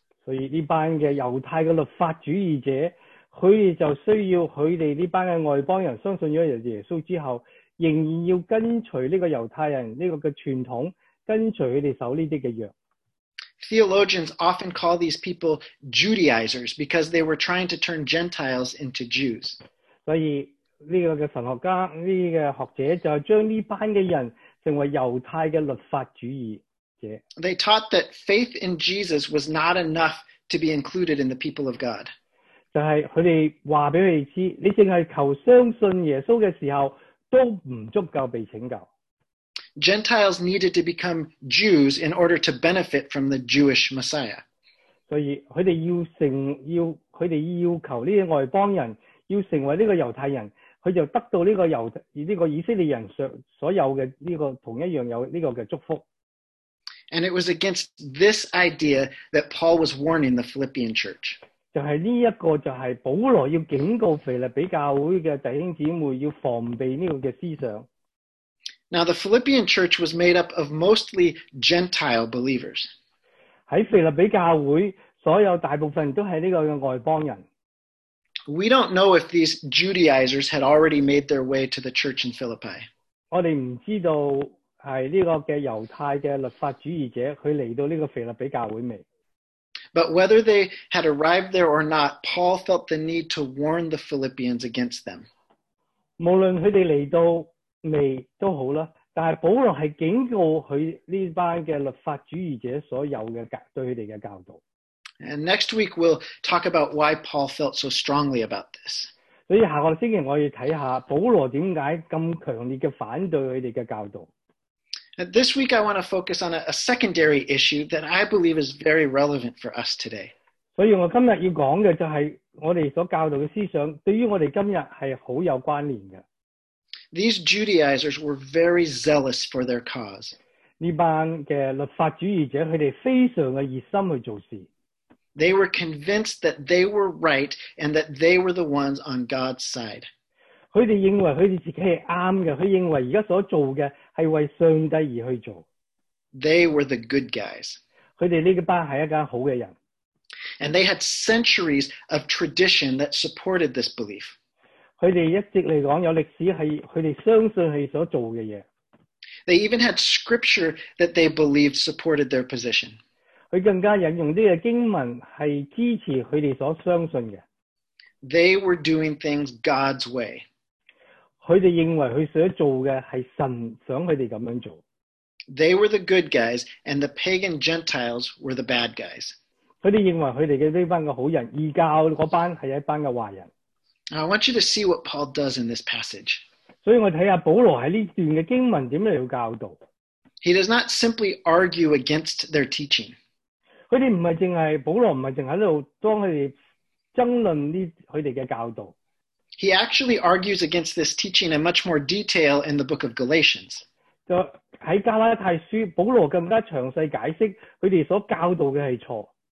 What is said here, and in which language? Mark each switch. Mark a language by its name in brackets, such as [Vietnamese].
[Chinese] 所以这班的犹太的律法主义者，他们就需要他们这班的外邦人相信了耶稣之后，仍然要跟随这个犹太人这个的传统，跟随他们守这些的约。 [English] Theologians often call these people Judaizers because they were trying to turn Gentiles into Jews. [Chinese] 所以这个的神学家，这个学者就将这班的人成为犹太的律法主义者。 [English] They taught that faith in Jesus was not enough to be included in the people of God. [Chinese] 就是他们告诉他们，你只是求相信耶稣的时候，都不足够被拯救。 [English] Gentiles needed to become Jews in order to benefit from the Jewish Messiah. [Chinese] 所以他们要求这些外邦人要成为这个犹太人，他就得到这个以色列人所有的这个同一样有这个的祝福。 [English] And it was against this idea that Paul was warning the Philippian church. [Chinese] 就是这个就是保罗要警告腓立比教会的弟兄姊妹要防备这个的思想。 [English] Now, the Philippian church was made up of mostly Gentile believers. [Chinese] 在腓立比教会，所有大部分都是这个外邦人。 [English] We don't know if these Judaizers had already made their way to the church in Philippi. [Chinese] 我们不知道是这个的犹太的律法主义者，他来到这个腓立比教会没。 [English] But whether they had arrived there or not, Paul felt the need to warn the Philippians against them. [Chinese] 无论他们来到没都好了，但是保罗是警告他这班的律法主义者所有的对他们的教导。 [English] And next week we'll talk about why Paul felt so strongly about this. [Chinese] 所以下个星期我要看看保罗为什么这么强烈的反对他们的教导。 [English] This week I want to focus on a secondary issue that I believe is very relevant for us today. [Chinese] 所以我今天要讲的就是我们所教导的思想对于我们今天是很有关联的。 [English] These Judaizers were very zealous for their cause. [Chinese] 这班的律法主义者他们非常的热心去做事。 [English] They were convinced that they were right and that they were the ones on God's side. [Chinese] 他们认为他们自己是对的，他认为现在所做的是为上帝而去做。 [English] They were the good guys. [Chinese] 他们这班是一个好的人。 [English] And they had centuries of tradition that supported this belief. [Chinese] 他们一直来讲有历史是他们相信他们所做的事。 [English] They even had scripture that they believed supported their position. [Chinese] 他更加引用这个经文是支持他们所相信的。 [English] They were doing things God's way. [Chinese] 他们认为他们所做的是神想他们这样做。 [English] They were the good guys, and the pagan Gentiles were the bad guys. [Chinese] 他们认为他们的这班的好人，异教那班是一班的坏人。 [English] I want you to see what Paul does in this passage. [Chinese] 所以我看看保罗在这段的经文怎么来教导。 [English] He does not simply argue against their teaching. [Chinese] 他们不是只是，保罗不是只是在这里帮他们争论他们的教导。 [English] He actually argues against this teaching in much more detail in the book of Galatians. [Chinese] 在加拉太书，保罗更加详细解释他们所教导的是错。